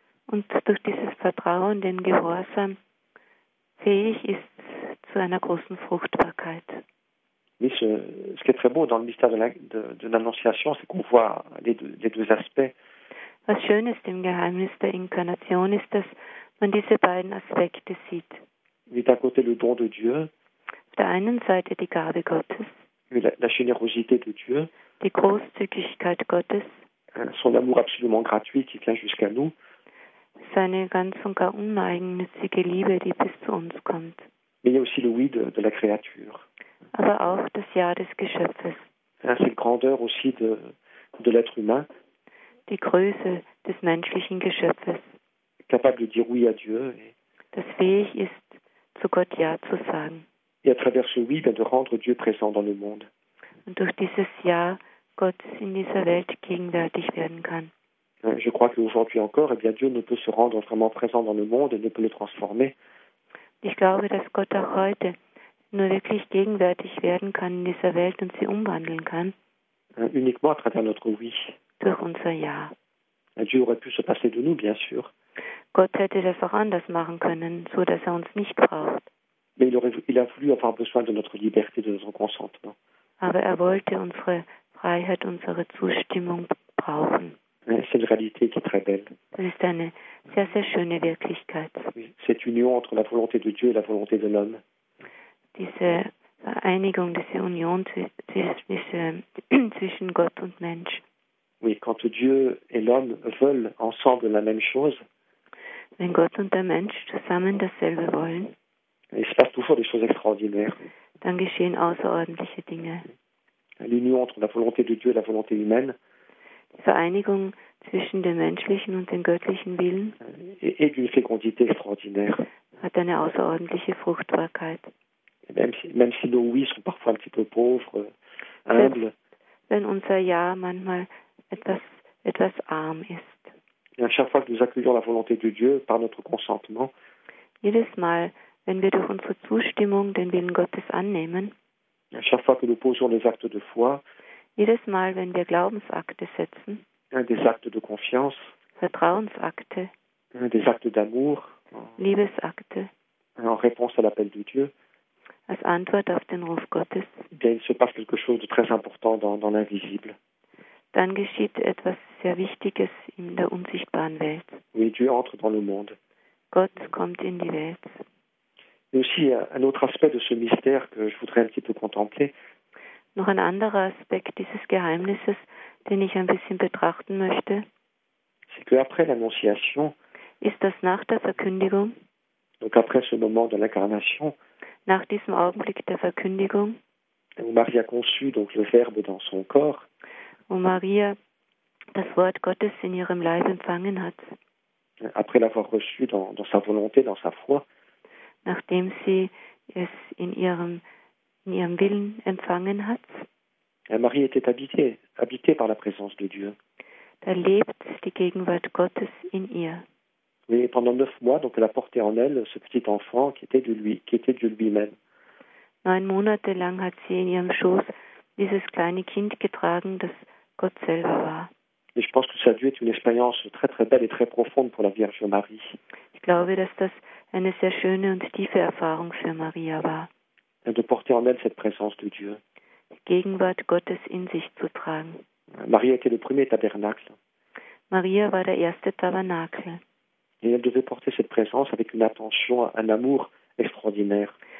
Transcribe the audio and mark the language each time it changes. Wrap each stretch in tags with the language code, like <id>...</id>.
<de>Und durch dieses Vertrauen, den Gehorsam, fähig ist zu einer großen Fruchtbarkeit.</de> <fr>Mais ce qui est très beau dans le mystère de l'Annonciation, c'est qu'on voit les deux aspects.</fr> <de>Was schön ist im Geheimnis der Inkarnation, ist, dass man diese beiden Aspekte sieht.</de> <fr>Mais d'un côté le don de Dieu.</fr> <de>Auf der einen Seite die Gabe Gottes.</de> <fr>La générosité de Dieu.</fr> <de>Die Großzügigkeit Gottes.</de> <fr>Son amour absolument gratuit qui vient jusqu'à nous.</fr> <de>Seine ganz und gar uneigennützige Liebe, die bis zu uns kommt.</de> <fr>Mais il y a aussi le oui de la créature.</fr> <de>Aber auch das Ja des Geschöpfes.</de> <fr>C'est la grandeur aussi de l'être humain.</fr> <de>Die Größe des menschlichen Geschöpfes.</de> <fr>Capable de dire oui à Dieu.</fr> <de>Das fähig ist, zu Gott Ja zu sagen.</de> <fr>Et à travers ce oui, de rendre Dieu présent dans le monde.</fr> <de>Und durch dieses Ja, Gott in dieser Welt gegenwärtig werden kann.</de> <fr>Je crois qu'aujourd'hui encore, eh bien, Dieu ne peut se rendre vraiment présent dans le monde et ne peut le transformer.</fr> <de>Ich glaube, dass Gott auch heute nur wirklich gegenwärtig werden kann in dieser Welt und sie umwandeln kann.</de> <fr>Uniquement à travers notre oui.</fr> <de>Durch unser Ja.</de> <fr>Dieu aurait pu se passer de nous, bien sûr.</fr> <de>Gott hätte das auch anders machen können, so dass er uns nicht braucht.</de> <fr>Mais il a voulu avoir besoin de notre liberté, de notre consentement.</fr> <de>Aber er wollte unsere Freiheit, unsere Zustimmung brauchen.</de> <fr>C'est une réalité qui est très belle. C'est une</fr> <de>sehr, sehr schöne Wirklichkeit.</de> <fr>Cette union entre la volonté de Dieu et la volonté de l'homme.</fr> <de>Diese Vereinigung, diese Union zwischen Gott und Mensch.</de> <fr>Oui, quand Dieu et l'homme veulent ensemble la même chose.</fr> <de>Wenn Gott und der Mensch zusammen dasselbe wollen.</de> <fr>Il se passe toujours des choses extraordinaires.</fr> <de>Dann geschehen außerordentliche Dinge.</de> <fr>L'union entre la volonté de Dieu et la volonté humaine.</fr> <de>Die Vereinigung zwischen dem menschlichen und dem göttlichen Willen</de> <fr>et d'une fécondité extraordinaire.</fr> <de>Hat eine außerordentliche Fruchtbarkeit.</de> <fr>Même si nos oui sont parfois un petit peu pauvres, humbles.</fr> <de>Wenn unser Ja manchmal etwas arm ist.</de> <fr>À chaque fois que nous accueillons la volonté de Dieu par notre consentement.</fr> <de>Jedes Mal, wenn wir durch unsere Zustimmung den Willen Gottes annehmen.</de> <fr>À chaque fois que nous posons les actes de foi.</fr> <de>Jedes Mal, wenn wir Glaubensakte setzen,</de> <fr>des actes de confiance,</fr> <de>Vertrauensakte,</de> <fr>des actes d'amour,</fr> <de>Liebesakte,</de> <fr>en réponse à l'appel de Dieu,</fr> <de>als Antwort auf den Ruf Gottes,</de> <fr>bien, il se passe quelque chose de très important dans l'invisible.</fr> <de>Dann geschieht etwas sehr Wichtiges in der unsichtbaren Welt.</de> <fr>Oui, Dieu entre dans le monde.</fr> <de>Gott kommt in die Welt.</de> <fr>Et aussi un autre aspect de ce mystère que je voudrais un petit peu contempler.</fr> <de>Noch ein anderer Aspekt dieses Geheimnisses, den ich ein bisschen betrachten möchte.</de> <fr>C'est qu'après l'Annonciation,</fr> <de>ist das nach der Verkündigung,</de> <fr>donc après ce moment de l'incarnation,</fr> <de>nach diesem Augenblick der Verkündigung,</de> <fr>où Marie a conçu donc le Verbe dans son corps,</fr> <de>wo Maria das Wort Gottes in ihrem Leib empfangen hat,</de> <fr>après l'avoir reçu dans sa volonté, dans sa foi,</fr> <de>nachdem sie es in ihrem Willen empfangen hat,</de> <fr>Marie était habitée par la présence de Dieu.</fr> <de>Da lebt die Gegenwart Gottes in ihr.</de> <fr>Oui, pendant 9 mois, donc elle a porté en elle ce petit enfant qui était Dieu lui-même.</fr> <de>9 Monate lang hat sie in ihrem Schoß dieses kleine Kind getragen, das Gott selber war.</de> <fr>Et je pense que ça a dû être une expérience très très belle et très profonde pour la Vierge Marie.</fr> <de>Ich glaube, dass das eine sehr schöne und tiefe Erfahrung für Maria war.</de> <fr>Et de porter en elle cette présence de Dieu.</fr> <de>Die Gegenwart Gottes in sich zu tragen.</de> <fr>Marie était le premier tabernacle.</fr> <de>Maria war der erste Tabernakel.</de> <fr>Et elle devait porter cette présence avec une attention, un amour extraordinaire.</fr>